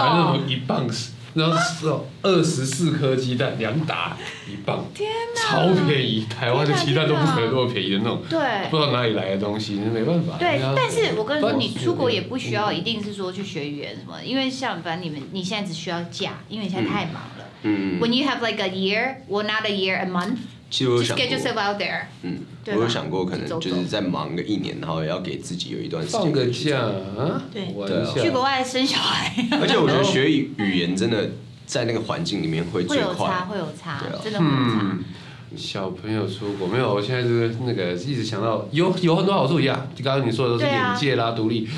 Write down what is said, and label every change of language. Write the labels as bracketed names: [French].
[Chinese] 买那种一磅，然后24颗鸡蛋两打一磅，天哪，超便宜！台湾的鸡蛋都不可能那么便宜的那种，对，不知道哪里来的东西，那没办法。对，但是我跟你说，你出国也不需要一定是说去学语言什么，因为像反正你现在只需要假，因为你现在太忙了。 [English] When you have like a year, well not a year, a month. [Chinese] 其实我想过 [English] just get yourself out there. [Chinese] 我有想过，可能就是在忙个一年，然后要给自己有一段时间放个假，对，去国外生小孩。而且我觉得学语言真的在那个环境里面会最快，会有差，真的会有差。小朋友出国没有？我现在就是那个一直想到有很多好处一样，就刚刚你说的都是眼界啦、独立，